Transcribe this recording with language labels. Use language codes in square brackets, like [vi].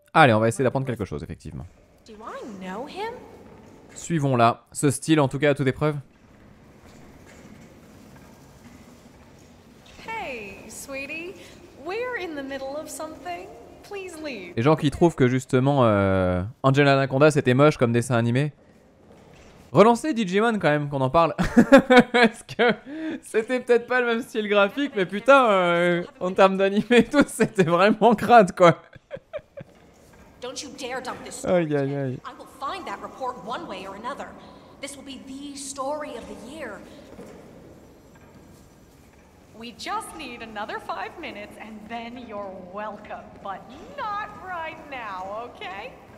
[fr] Allez, on va essayer d'apprendre quelque chose, effectivement. [en] Do I know him? [fr] Suivons-la. Ce style, en tout cas, à toute épreuve. [en] Hey, sweetie, we're in the middle of something. Please leave. [fr] Les gens qui trouvent que justement Angela Anaconda c'était moche comme dessin animé. Relancez Digimon quand même, qu'on en parle. Est-ce que c'était peut-être pas le même style graphique, mais putain, en termes d'animé et tout, c'était vraiment crade quoi. [en] Don't you dare dump this story. [fr] Aïe aïe aïe. [en] I will find that report one way or another. This will be the story of the year. We just need another 5 minutes and then you're welcome, but not right now, okay?